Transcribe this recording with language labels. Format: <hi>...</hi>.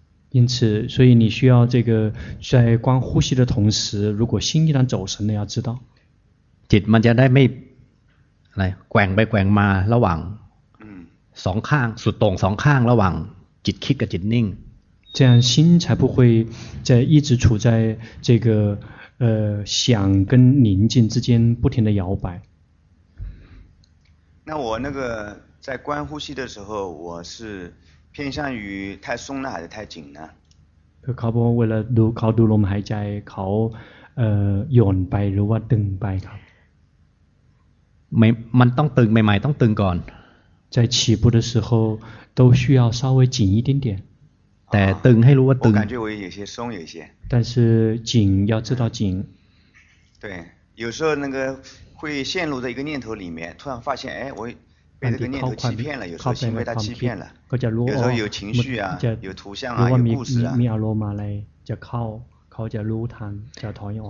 <zh>因此所以你需要这个在观呼吸的同时如果心一旦走神了要知道</zh> <th>จิตมันจะได้ไม่แกว่งไปแกว่งมาระหว่างสองข้างสุดตรงสองข้างระหว่างจิตคิดกับจิตนิ่ง</th> <zh>这样心才不会在一直处在这个想跟宁静之间不停的摇摆那我那个在观呼吸的时候我是偏向于太松了还是太紧呢</zh> <th>เขาบอกว่าเวลาดูเขาดูลมหายใจเขาหย่อนไปหรือว่าตึงไปครับ มันต้องตึงใหม่ๆต้องตึงก่อน</th> <zh>在起步的时候都需要稍微紧一点点</zh> <th>แต่ตึงให้รู้ว่าตึง</th> <zh>我感觉我有些松有些但是紧要知道紧对有时候那个会陷入在一个念头里面突然发现哎我被这个念头欺骗了有时候心被它欺骗了有时候有情绪啊有图像啊有故事啊</zh> <th>มีอารมณ์อะไรจะเข้าจะรู้ทันจะถอยออก</th>